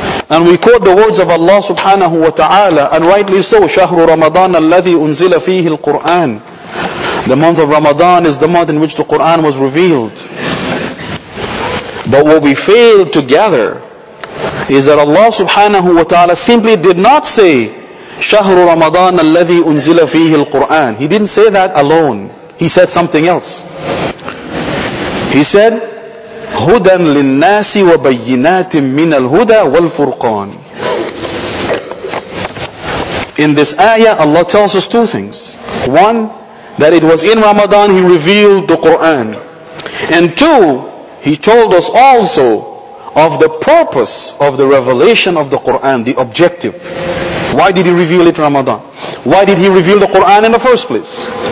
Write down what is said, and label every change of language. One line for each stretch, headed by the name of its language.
English: And we quote the words of Allah subhanahu wa ta'ala, and rightly so,
Arabic: شَهْرُ رَمَضَانَ الَّذِي أُنزِلَ فِيهِ الْقُرْآنِ.
English: The month of Ramadan is the month in which the Quran was revealed. But what we fail to gather is that Allah subhanahu wa ta'ala simply did not say,
Arabic: شَهْرُ رَمَضَانَ الَّذِي أُنزِلَ فِيهِ الْقُرْآنِ.
English: He didn't say that alone. He said something else. He said,
Arabic: هُدًى لِلنَّاسِ وَبَيِّنَاتٍ مِّنَ الْهُدَى وَالْفُرْقَانِ.
English: In this ayah, Allah tells us two things. One, that it was in Ramadan He revealed the Qur'an. And two, He told us also of the purpose of the revelation of the Qur'an, the objective. Why did He reveal it in Ramadan? Why did He reveal the Qur'an in the first place?